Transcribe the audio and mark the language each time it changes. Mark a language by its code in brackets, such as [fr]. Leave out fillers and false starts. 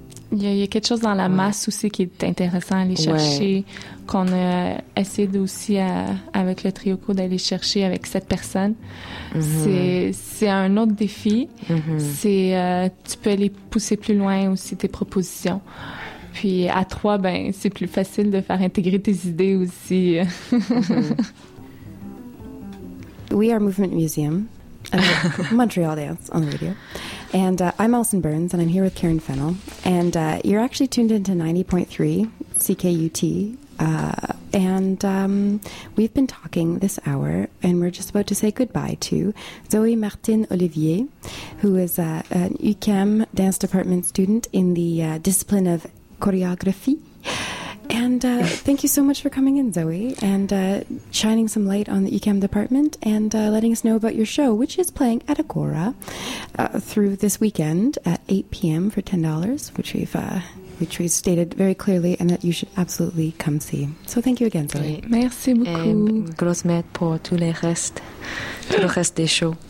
[fr] il y a quelque chose dans la masse aussi qui est intéressant à aller chercher, qu'on a essayé aussi avec le trioco d'aller chercher avec 7 personnes. Mm-hmm. C'est un autre défi. Mm-hmm. C'est tu peux aller pousser plus loin aussi tes propositions. Puis à 3, ben c'est plus facile de faire intégrer tes idées aussi. Mm-hmm. [en] We are Movement Museum, Montreal Dance on the radio. And I'm Alison Burns, and I'm here with Karen Fennell. And you're actually tuned into 90.3 CKUT. We've been talking this hour, and we're just about to say goodbye to Zoé Martin-Olivier, who is an UQAM Dance Department student in the discipline of choreography. And thank you so much for coming in, Zoe, and shining some light on the ECAM department and letting us know about your show, which is playing at Agora through this weekend at 8 p.m. for $10, which we've stated very clearly and that you should absolutely come see. So thank you again, Zoe. [fr] Merci beaucoup. Et grosse mette pour tout le reste des shows.